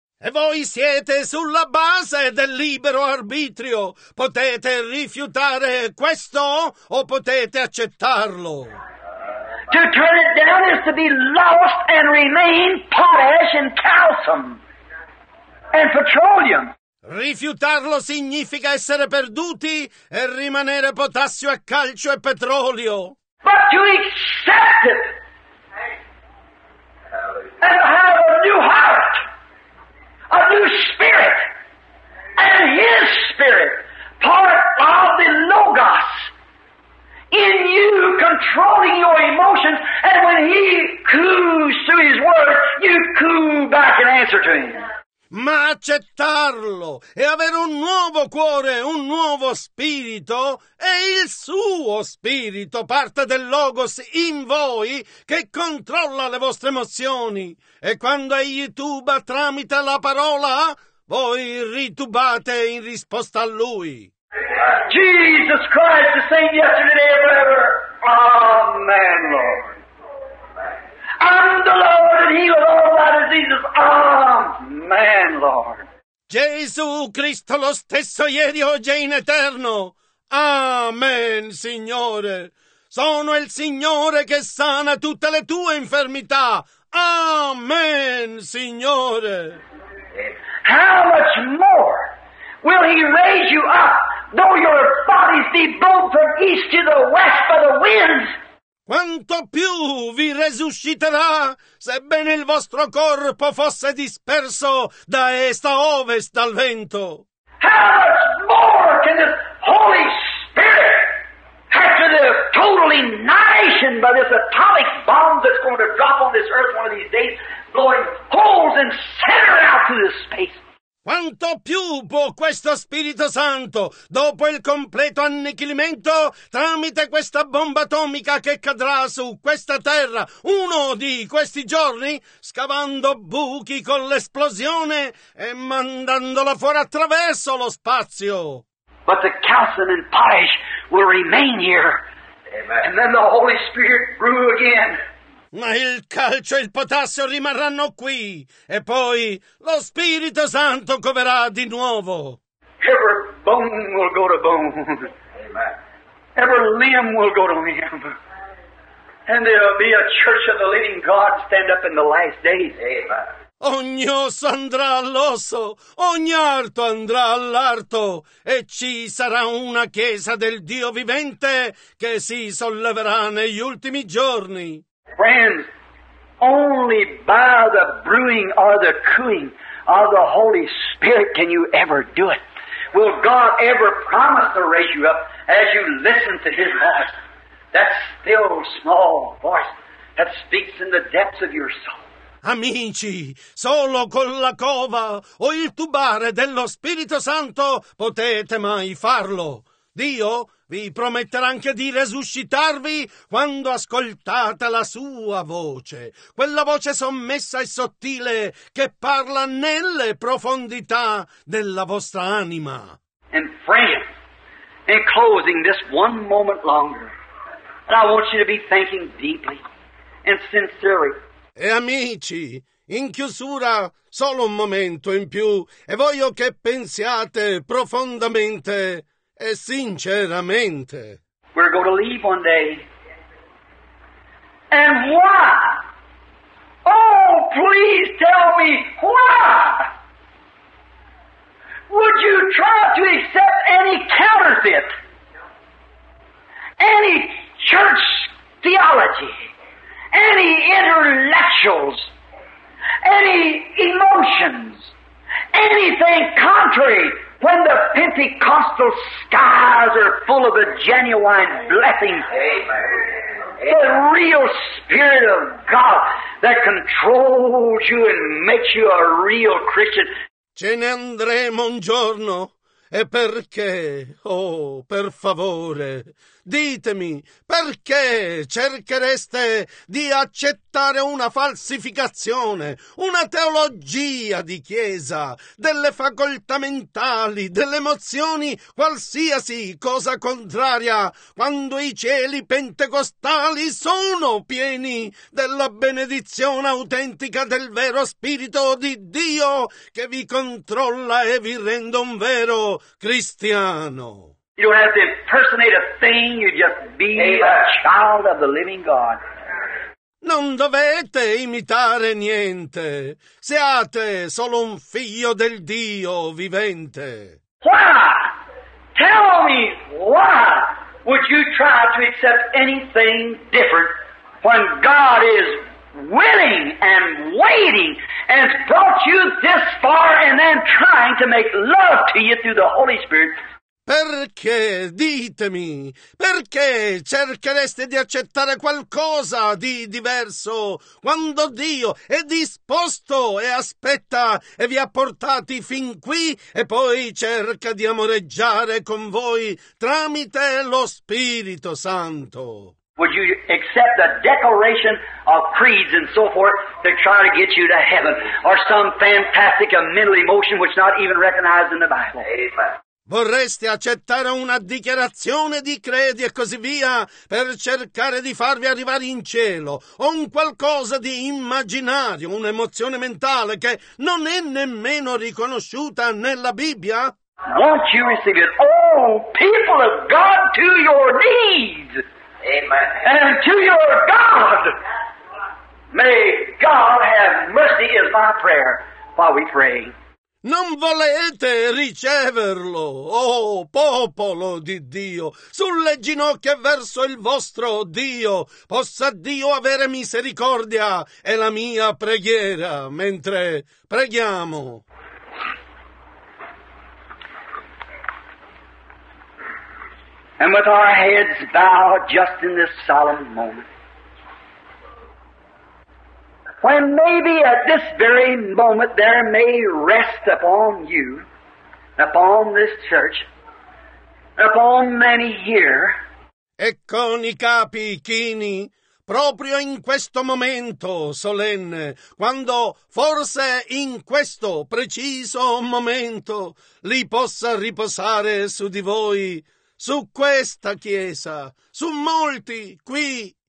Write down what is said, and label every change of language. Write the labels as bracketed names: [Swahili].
[Italian] E voi siete sulla base del libero arbitrio. Potete rifiutare questo o potete accettarlo. [English] To turn it down is to be lost and remain potash and calcium and petroleum. [Italian] Rifiutarlo significa essere perduti e rimanere potassio e calcio e petrolio. [English] But to accept it and have a new heart, a new spirit, and his spirit, part of the Logos, in you controlling your emotions, and when he coos through his word, you coo back in answer to him. [Italian] Ma accettarlo e avere un nuovo cuore, un nuovo spirito, è il suo spirito, parte del Logos in voi, che controlla le vostre emozioni. E quando egli tuba tramite la parola, voi ritubate in risposta a lui. [English] Jesus Christ, the same yesterday and forever. Amen, Lord. I'm the Lord and heal all my diseases. Amen, Lord. [Italian] Gesù Cristo lo stesso ieri, oggi e in eterno. Amen, Signore. Sono il Signore che sana tutte le tue infermità. Amen, Signore. [English] How much more will he raise you up, though your bodies be both from east to the west by the winds? [Italian] Quanto più vi resusciterà, sebbene il vostro corpo fosse disperso da est a ovest dal vento? [English] How much more can this Holy Spirit, after the total annihilation by this atomic bomb that's going to drop on this earth one of these days, blowing holes and center out through this space? [Italian] Quanto più può questo Spirito Santo, dopo il completo annichilimento, tramite questa bomba atomica che cadrà su questa terra uno di questi giorni, scavando buchi con l'esplosione e mandandola fuori attraverso lo spazio? [English] But the calcium and potash will remain here. Amen. And then the Holy Spirit brew again. [Italian] Ma il calcio e il potassio rimarranno qui, e poi lo Spirito Santo coverà di nuovo. [English] Every bone will go to bone. Amen. Every limb will go to limb. And there will be a church of the living God stand up in the last days. Amen. [Italian] Ogni osso andrà all'osso, ogni arto andrà all'arto, e ci sarà una chiesa del Dio vivente che si solleverà negli ultimi giorni. [English] Friends, only by the brewing or the cooing of the Holy Spirit can you ever do it. Will God ever promise to raise you up as you listen to His voice? That still, small voice that speaks in the depths of your soul. [Italian] Amici, solo con la cova o il tubare dello Spirito Santo potete mai farlo. Dio vi prometterà anche di resuscitarvi quando ascoltate la sua voce, quella voce sommessa e sottile che parla nelle profondità della vostra anima. [English] And friend, in closing this one moment longer, I want you to be thinking deeply and sincerely. [Italian] E amici, in chiusura, solo un momento in più, e voglio che pensiate profondamente e sinceramente. [English] We're going to leave one day. And why? Oh, please tell me why would you try to accept any counterfeit, any church theology, any intellectuals, any emotions, anything contrary when the Pentecostal skies are full of the genuine blessings. Amen. The real Spirit of God that controls you and makes you a real Christian. [Italian] Ce ne andremo un giorno? E perché? Oh, per favore, ditemi, perché cerchereste di accettare una falsificazione, una teologia di chiesa, delle facoltà mentali, delle emozioni, qualsiasi cosa contraria, quando i cieli pentecostali sono pieni della benedizione autentica del vero Spirito di Dio che vi controlla e vi rende un vero cristiano? [English] You don't have to impersonate a thing, you just be a child of the living God. [Italian] Non dovete imitare niente, siate solo un figlio del Dio vivente. [English] Why? Tell me, why would you try to accept anything different when God is willing and waiting and has brought you this far and then trying to make love to you through the Holy Spirit? [Italian] Perché, ditemi, perché cerchereste di accettare qualcosa di diverso quando Dio è disposto e aspetta e vi ha portati fin qui e poi cerca di amoreggiare con voi tramite lo Spirito Santo? [English] Would you accept the declaration of creeds and so forth to try to get you to heaven or some fantastic mental emotion which not even recognized in the Bible? Amen. [Italian] Vorreste accettare una dichiarazione di credi e così via per cercare di farvi arrivare in cielo, o un qualcosa di immaginario, un'emozione mentale che non è nemmeno riconosciuta nella Bibbia? [English] Won't you receive it? Oh, people of God, to your knees! Amen. And to your God! May God have mercy is my prayer while we pray. [Italian] Non volete riceverlo, oh popolo di Dio, sulle ginocchia verso il vostro Dio, possa Dio avere misericordia, è la mia preghiera, mentre preghiamo. [English] And with our heads bowed just in this solemn moment, when maybe at this very moment there may rest upon you, upon this church, upon many here. [Italian] E con i capi chini, proprio in questo momento solenne, quando forse in questo preciso momento li possa riposare su di voi, su questa chiesa, su molti qui.